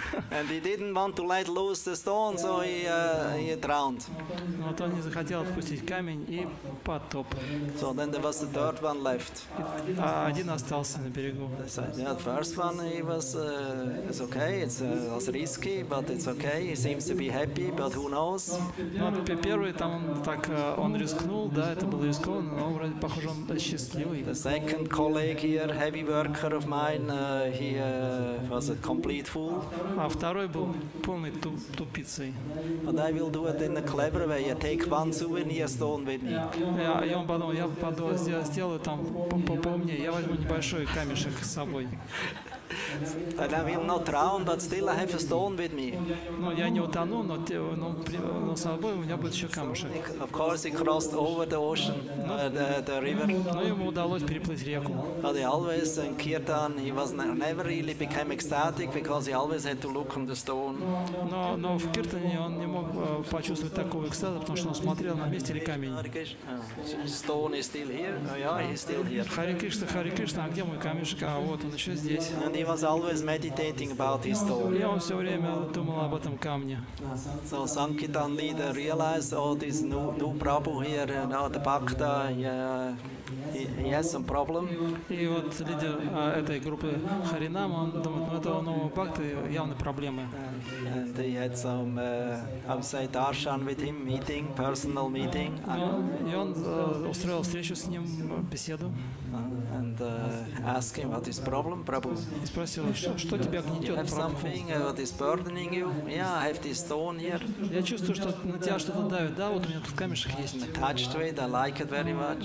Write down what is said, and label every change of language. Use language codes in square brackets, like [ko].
[en] And he didn't want to let loose the stone, so he drowned. [ru] Вот он не захотел отпустить камень и потоп. [en] So then there was the third one left. [ru] Один остался на берегу. [en] Yeah, first one he was it's okay, it's was risky, but it's okay. He seems to be happy, but who knows? [ru] Первый там так он рискнул, да, это было рискованно, но вроде похоже он счастливый. [en] The second colleague here, heavy worker of mine, he was a complete fool. [ru] А второй был полный тупицей. [en] But I will do it in a clever way. I take one souvenir stone with me. [ru] И он подумал, я пойду сделаю там помню, я возьму небольшой камешек с собой. [en] And I will not drown, but still I have a stone with me. [ru] Ну, я не утону, но с собой у меня будет еще камушек. [en] Of course, he crossed over the ocean, the river. [ru] Но ему удалось переплыть реку. [en] But he always, in Kirtan, he was never really became ecstatic, because he always had to look on the stone. [ru] Но в Киртане он не мог почувствовать такого экстаза, потому что он смотрел на месте ли камень. [en] Stone is still here. Oh, yeah, he's still here. [ru] Hare Krishna, а где мой камешек? А вот он еще здесь. [en] And he was always meditating about his stone. [ru] И он все время думал об этом камне. [en] So Sankirtan leader realized all this new Prabhu here, now the Bhakta, he has some problem. [ru] И вот лидер этой группы Харинам, он думает, ну этого нового Бхакты явно проблемы. [en] And he had some outside darshan with him, meeting, personal meeting. [ru] И он устроил встречу с ним, беседу. [en] And ask him what is problem, Prabhu. [ru] И спросил, что тебя гнетет, Prabhu? [en] You have something that is burdening you? Yeah, I have this stone here. [ru] Я чувствую, что на тебя что-то давит. Да, вот у меня тут камешек есть. [en] Attached to it, I like it very much.